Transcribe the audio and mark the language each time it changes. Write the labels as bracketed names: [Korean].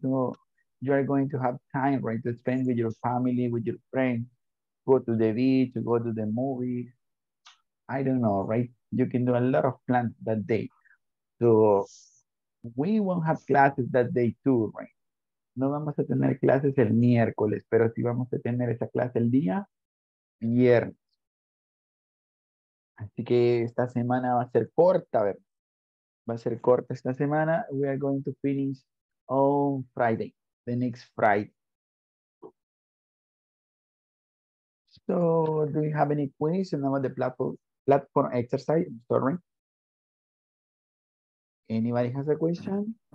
[English] So you are going to have time, right, to spend with your family, with your friends, go to the beach, go to the movies. I don't know, right? You can do a lot of plans that day. So we won't have classes that day too, right? [Spanish] No vamos a tener clases el miércoles, pero sí vamos a tener esa clase el día viernes. Así que esta semana va a ser corta, ¿verdad? Va a ser corta esta semana. [English] We are going to finish on Friday, the next Friday. So, do you have any questions about the platform exercise? I'm sorry. Anybody has a question?